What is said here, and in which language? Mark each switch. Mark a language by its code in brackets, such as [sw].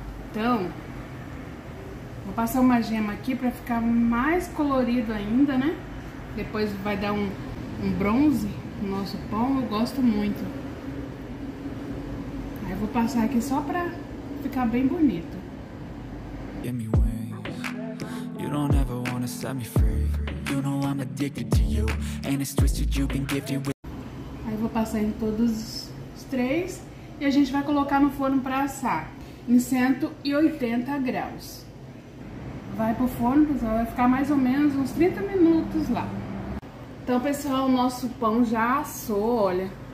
[pt] Então, vou passar uma gema aqui pra ficar mais colorido ainda, né? Depois vai dar um bronze no nosso pão. Eu gosto muito. Vou passar aqui só pra ficar bem bonito. [en] Give me wings. You don't ever wanna set me free. You know I'm addicted to you. And it's twisted you've been gifted with. [pt] Aí vou passar em todos os três. E a gente vai colocar no forno pra assar. Em 180 graus. Vai pro forno, pessoal. Vai ficar mais ou menos uns 30 minutos lá. Então, pessoal, o nosso pão já assou, olha.